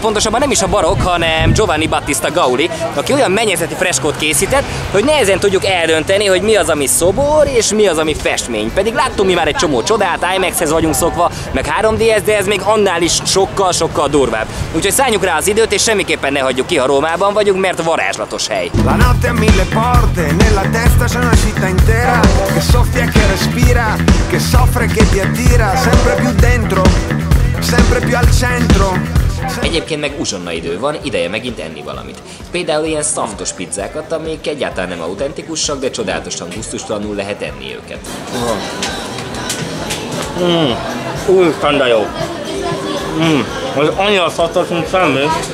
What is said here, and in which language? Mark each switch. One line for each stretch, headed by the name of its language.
Hungarian: Pontosabban nem is a barokk, hanem Giovanni Battista Gauli, aki olyan mennyezeti freskót készített, hogy nehezen tudjuk eldönteni, hogy mi az, ami szobor és mi az, ami festmény. Pedig láttunk mi már egy csomó csodát, IMAX-hez vagyunk szokva, meg 3D-hez, de ez még annál is sokkal-sokkal durvább. Úgyhogy szálljunk rá az időt és semmiképpen ne hagyjuk ki, ha Rómában vagyunk, mert varázslatos hely.
Italian: La notte a mille porte, nella testa c'è una città intera, che soffia, che respira, che soffre, che ti attira, sempre più dentro, sempre più al centro.
Hungarian: Egyébként meg uzsonna idő van, ideje megint enni valamit. Például ilyen szaftos pizzákat, amik egyáltalán nem autentikusak, de csodálatosan gusztustalanul lehet enni őket. Úristen, de jó! Ez annyira szaftos, mint semmi.